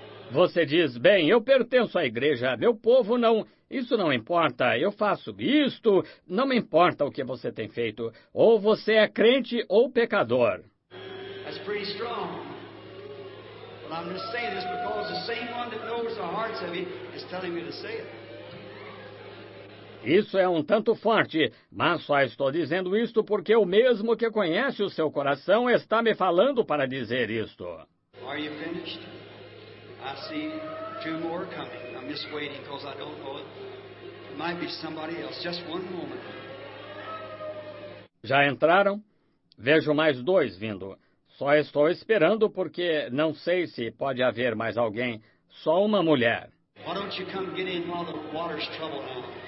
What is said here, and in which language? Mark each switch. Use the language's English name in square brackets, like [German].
[Portuguese] Você diz, bem, eu pertenço à igreja, meu povo não, isso não importa, eu faço isto, não me importa o que você tem feito, ou você é crente ou pecador. [English] That's pretty strong. Well, I'm just saying this because the same one that knows the hearts of you is telling me to say it. [Portuguese] Isso é um tanto forte, mas só estou dizendo isto porque o mesmo que conhece o seu coração está me falando para dizer isto. [English] Are you finished? I see two more coming. I'm just waiting because I don't know it. It might be somebody else. Just one moment. [Portuguese] Já entraram? Vejo mais dois vindo. Só estou esperando porque não sei se pode haver mais alguém. Só uma mulher. [English] Why don't you come get in while the water's troubled now?